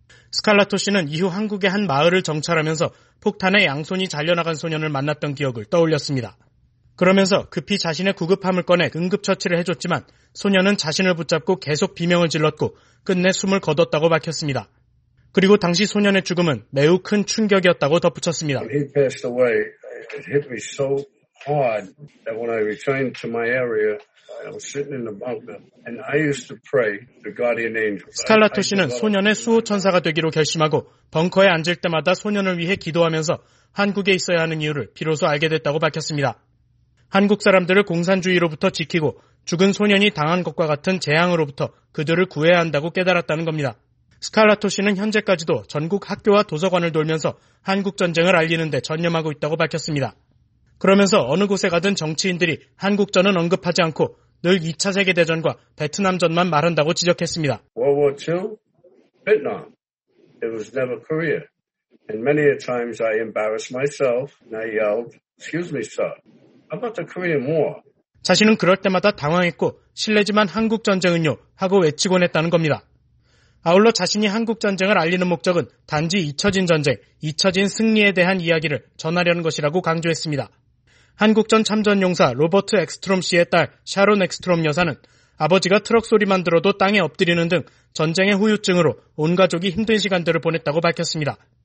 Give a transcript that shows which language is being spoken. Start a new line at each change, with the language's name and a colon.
Korean: 스칼라토 씨는 이후 한국의 한 마을을 정찰하면서 폭탄에 양손이 잘려나간 소년을 만났던 기억을 떠올렸습니다. 그러면서 급히 자신의 구급함을 꺼내 응급처치를 해줬지만 소년은 자신을 붙잡고 계속 비명을 질렀고 끝내 숨을 거뒀다고 밝혔습니다. 그리고 당시 소년의 죽음은 매우 큰 충격이었다고 덧붙였습니다.
English: When he passed away, it hit me so hard that when I returned to my area, I was sitting in the bunker and I used to pray the guardian angel.
Korean: 스칼라토 씨는 소년의 수호 천사가 되기로 결심하고 벙커에 앉을 때마다 소년을 위해 기도하면서 한국에 있어야 하는 이유를 비로소 알게 됐다고 밝혔습니다. 한국 사람들을 공산주의로부터 지키고 죽은 소년이 당한 것과 같은 재앙으로부터 그들을 구해야 한다고 깨달았다는 겁니다. 스칼라토 씨는 현재까지도 전국 학교와 도서관을 돌면서 한국전쟁을 알리는 데 전념하고 있다고 밝혔습니다. 그러면서 어느 곳에 가든 정치인들이 한국전은 언급하지 않고 늘 2차 세계대전과 베트남전만 말한다고 지적했습니다.
English: World War II, Vietnam. It was never Korea. And many a times I embarrassed myself and I yelled, excuse me, sir. How about the Korean War?
Korean: 자신은 그럴 때마다 당황했고 실례지만 한국전쟁은요 하고 외치곤 했다는 겁니다. 아울러 자신이 한국전쟁을 알리는 목적은 단지 잊혀진 전쟁, 잊혀진 승리에 대한 이야기를 전하려는 것이라고 강조했습니다. 한국전 참전용사 로버트 엑스트롬 씨의 딸 샤론 엑스트롬 여사는 아버지가 트럭 소리만 들어도 땅에 엎드리는 등 전쟁의 후유증으로 온 가족이 힘든 시간들을 보냈다고 밝혔습니다.